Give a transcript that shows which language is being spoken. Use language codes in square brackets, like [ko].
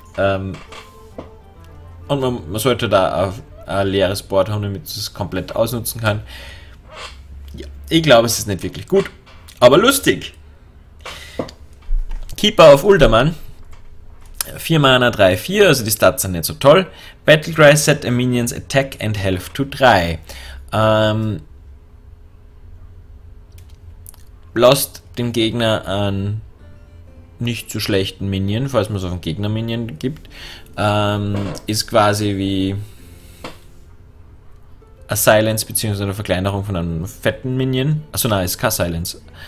[de] Und man sollte da ein leeres Board haben, damit es komplett ausnutzen kann. Ja, ich glaube, es ist nicht wirklich gut, aber lustig. Keeper auf Uldaman. 4 Mana, 3-4, also die Stats sind nicht so toll. [en] Battlecry set a minion's attack and health to 3. [de] Lost dem Gegner einen nicht so schlechten Minion, falls man es auf den Gegner-Minion gibt. Ist quasi wie a Silence bzw. eine Verkleinerung von einem fetten Minion. Achso, nein, ist kein Silence.